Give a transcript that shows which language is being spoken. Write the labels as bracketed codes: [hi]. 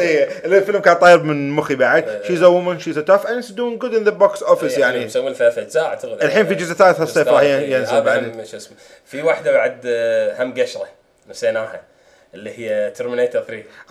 [ar] اي الفيلم كان طاير من مخي بعد. [en] She's a woman, she's a tough and she's doing good in the box office. [ar] يعني مسوي الثلاث اجزاء اعتقد الحين في جزء ثالث هالصيف راح ينزل بعد. في واحده بعد هم قشره نسيناها اللي هي ترمينيتر 3.